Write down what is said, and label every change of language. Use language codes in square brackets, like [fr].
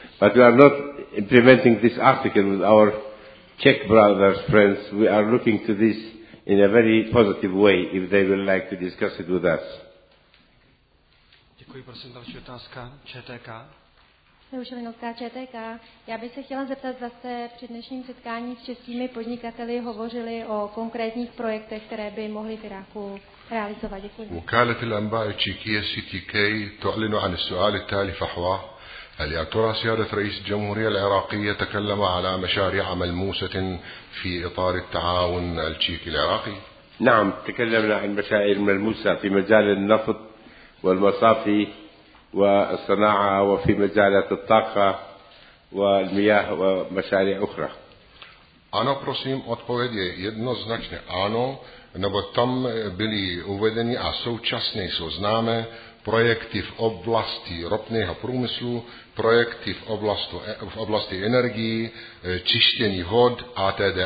[en] But we are not implementing this article with our Czech brothers, friends. We are looking to this in a very positive way if they would like to discuss it with us. [cs] Děkuji, prosím, další otázka. ČTK. Neušelinovská ČTK. Já bych se chtěla zeptat, zda jste při dnešním setkání s českými podnikateli hovořili o konkrétních projektech, které by mohly v Iráku realizovat. Děkuji. [ar] وكالة الأنباء التشيكية CTK تعلن عن السؤال التالي فحوى هل يا ترى سيادة رئيس الجمهورية العراقية تكلم على مشاريع ملموسة في إطار التعاون التشيكي العراقي؟ نعم، تكلمنا عن مشاريع ملموسة في مجال النفط والمصافي والصناعة وفي مجالات الطاقة والمياه ومشاريع أخرى. أنا برسيم أتبويد يدنزنجن أنا [cs] nebo tam byly uvedeny a současně jsou známé projekty v oblasti ropného průmyslu, projekty v oblasti energii, čištění vod a td.